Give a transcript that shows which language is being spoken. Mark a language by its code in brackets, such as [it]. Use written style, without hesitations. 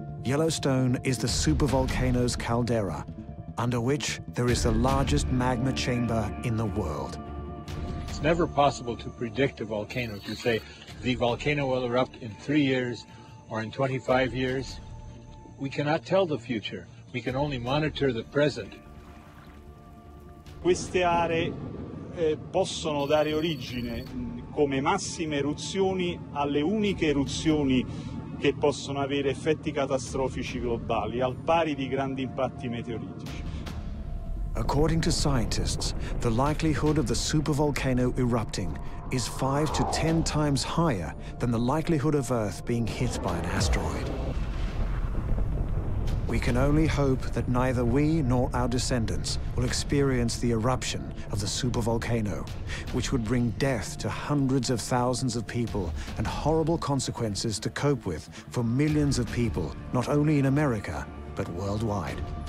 [en] Yellowstone is the supervolcano's caldera, under which there is the largest magma chamber in the world. It's never possible to predict a volcano, to say the volcano will erupt in 3 years or in 25 years. We cannot tell the future. We can only monitor the present. [it] Queste aree possono dare origine come massime eruzioni alle uniche eruzioni che possono avere effetti catastrofici globali, al pari di grandi impatti meteoritici. [en] According to scientists, the likelihood of the supervolcano erupting is 5 to 10 times higher than the likelihood of Earth being hit by an asteroid. We can only hope that neither we nor our descendants will experience the eruption of the supervolcano, which would bring death to hundreds of thousands of people and horrible consequences to cope with for millions of people, not only in America, but worldwide.